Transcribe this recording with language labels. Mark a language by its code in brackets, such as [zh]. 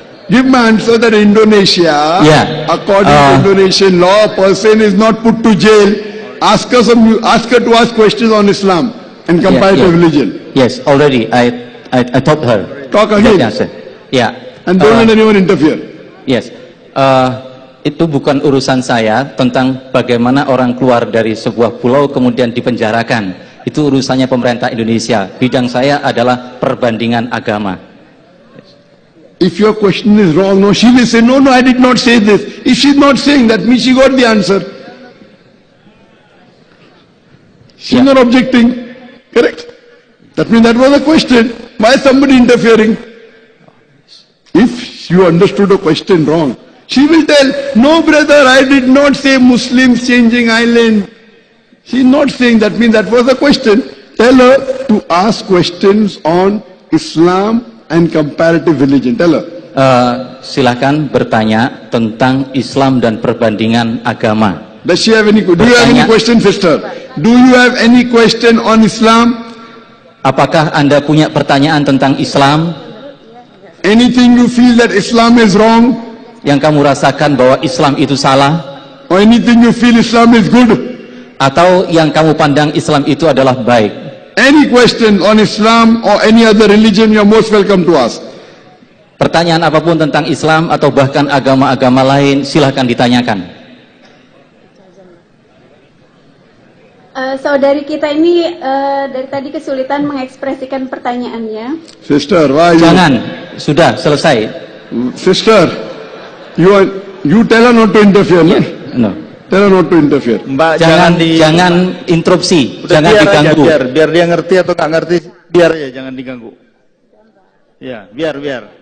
[en] Give my answer that in Indonesia, according to Indonesian law, a person is not put to jail. Ask her to ask questions on Islam and comparative religion. Yes, already. I taught her. Talk again. Yeah. And don't let anyone interfere. Yes. [id] Itu bukan urusan saya tentang bagaimana orang keluar dari sebuah pulau kemudian dipenjarakan. Itu urusannya pemerintah Indonesia. Bidang saya adalah perbandingan agama. [en] If your question is wrong, no, she will say, no, I did not say this. If she's not saying, that means she got the answer. She's not objecting, correct? That means that was a question. Why is somebody interfering? If you understood a question wrong, she will tell, no brother, I did not say Muslims changing island. She's not saying, that means that was a question. Tell her to ask questions on Islam and comparative religion. Tell her. [id] Silakan bertanya tentang Islam dan perbandingan agama. [en] Does she have any, do you have any question, sister? Do you have any question on Islam? [id] Apakah Anda punya pertanyaan tentang Islam? [en] Anything you feel that Islam is wrong? [id] Yang kamu rasakan bahwa Islam itu salah? [en] Or anything you feel Islam is good? [id] Atau yang kamu pandang Islam itu adalah baik? [en] Any question on Islam or any other religion, you're most welcome to ask. [id] Pertanyaan apapun tentang Islam atau bahkan agama-agama lain, silahkan ditanyakan. Saudari kita ini dari tadi kesulitan mengekspresikan pertanyaannya. [en] Sister, why you? [id] Jangan, sudah selesai. [en] Sister, you tell her not to interfere. Yeah. No. Tell her not to interfere. [id] Mbak, jangan interupsi, jangan diganggu. Aja, biar dia ngerti atau enggak ngerti, biar aja jangan diganggu. Ya, yeah, biar.